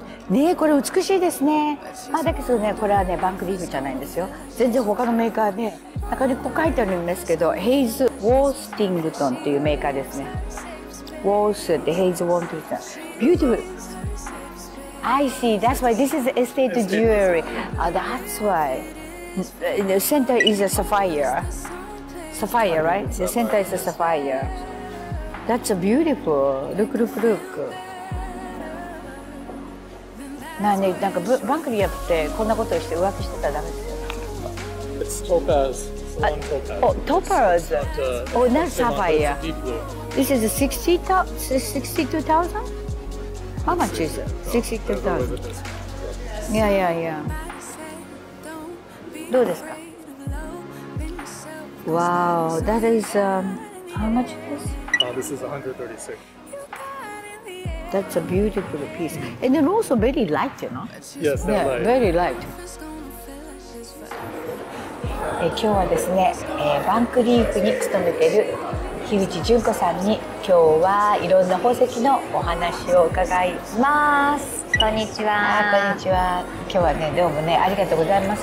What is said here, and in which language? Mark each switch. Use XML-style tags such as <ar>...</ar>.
<ja>ねえ、これ美しいですね。まあ、だけどね、これはね、バンクリーフじゃないんですよ。全然他のメーカーで、中にこう書いてあるんですけど、ヘイズ・ウォースティングトンっていうメーカーですね。ウォースってヘイズ・ウォンティングトン。</ja> <en>Beautiful! I see, that's why this is estate jewelry. That's why. The center is a sapphire. Sapphire, right? The center is a sapphire. That's a beautiful. Look, look, look.</en> <ja>なんかバンクリーやってこんなことをして浮気してたらダメですよ。</ja> <en>It's topaz. Oh, topaz. Oh, not sapphire. This is 62,000? How much is it? 62,000. Yeah, yeah, yeah.</en> <ja>どうですか?</ja> <en>Wow, that is, how much is this? This is 136. That's a beautiful piece. And then also very light, you know? Yes, yeah, light. Very light.</en> <ja>今日はですね、バンクリーフに勤めている樋口純子さんに今日はいろんな宝石のお話を伺います。こんにちは。こんにちは。今日はね、どうもね、ありがとうございます。</ja>